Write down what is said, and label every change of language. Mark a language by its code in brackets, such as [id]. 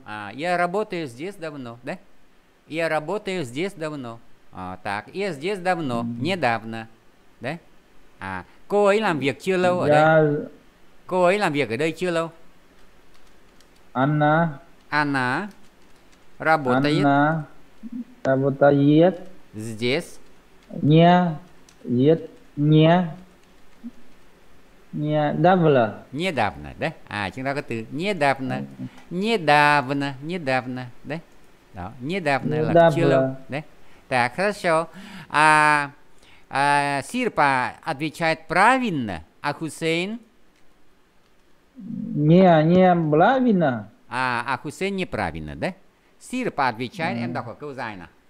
[ru] А, я работаю здесь давно, да? Я работаю здесь давно. Так, я здесь давно, недавно. [vi] Đấy. À, cô ấy làm việc chưa lâu ở đây? Cô ấy làm việc ở đây chưa lâu? Anna. [ru] Anna. Работает. Anna. Работает. Здесь. Не. Нет. Не. Недавно. Недавно, да? [vi] А, chúng ta có từ недавно. [ru] Недавно, недавно, да? [vi] Đó, недавно là chưa lâu, đấy. [ru] Так, хорошо. А, Сирпа отвечает правильно, а Хусейн? Не, не правильно. А Хусейн неправильно, да? Сирпа отвечает, [vi] em đọc ở câu dài nào.